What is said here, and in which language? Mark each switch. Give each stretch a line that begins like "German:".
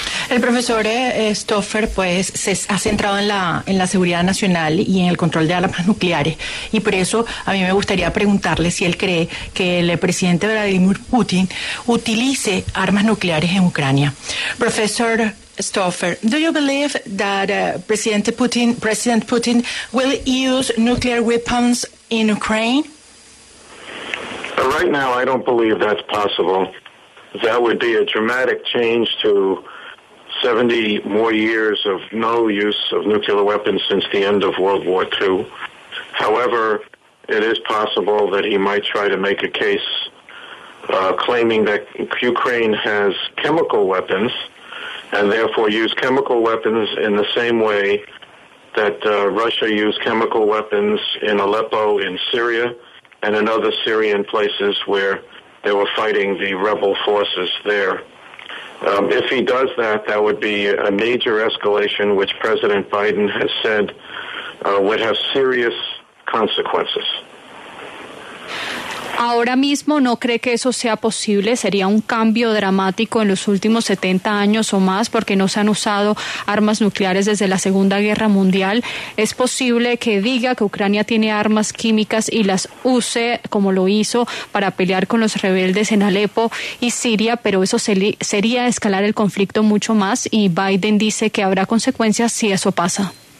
Spanish: El profesor Stauffer, pues, se ha centrado en la seguridad nacional y en el control de armas nucleares. Y por eso a mí me gustaría preguntarle si él cree que el presidente Vladimir Putin utilice armas nucleares en Ucrania.
English: Profesor Stauffer, do you believe that President Putin will use nuclear weapons in Ukraine? Right now, I don't believe that's possible. That would be a dramatic change to 70 more years of no use of nuclear weapons since the end of World War II. However, it is possible that he might try to make a case claiming that Ukraine has chemical weapons and therefore use chemical weapons in the same way that Russia used chemical weapons in Aleppo in Syria and in other Syrian places where they were fighting the rebel forces there. If he does that, that would be a major escalation, which President Biden has said would have serious consequences.
Spanish: Ahora mismo no cree que eso sea posible, sería un cambio dramático en los últimos 70 años o más porque no se han usado armas nucleares desde la Segunda Guerra Mundial. ¿Es posible que diga que Ucrania tiene armas químicas y las use como lo hizo para pelear con los rebeldes en Alepo y Siria, pero eso sería escalar el conflicto mucho más y Biden dice que habrá consecuencias si eso pasa?